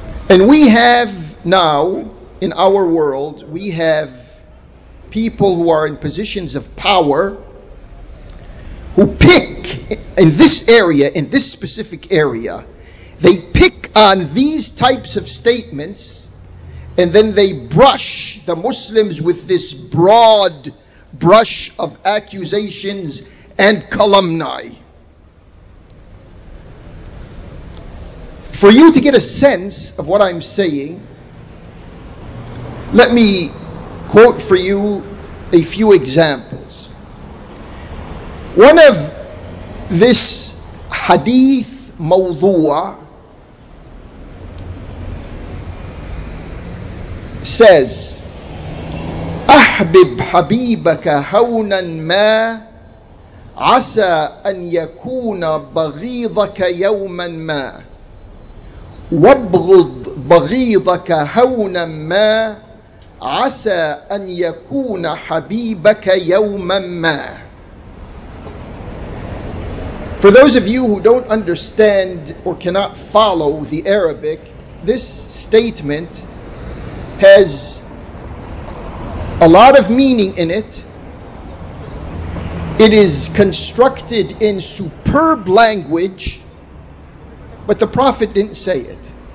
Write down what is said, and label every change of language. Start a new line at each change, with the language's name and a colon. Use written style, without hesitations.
English: And we have now, in our world, we have people who are in positions of power who pick in this area, in this specific area, they pick on these types of statements and then they brush the Muslims with this broad brush of accusations and calumni. For you to get a sense of what I'm saying, let me quote for you a few examples. One of this hadith mawdu'a says,
Arabic: أحبب حبيبك هونا ما عسى أن يكون بغيضك يوما ما وابغض بغيضك هونا ما عسى أن يكون حبيبك يوما ما.
English: For those of you who don't understand or cannot follow the Arabic, this statement has a lot of meaning in it. It is constructed in superb language, but the Prophet didn't say it.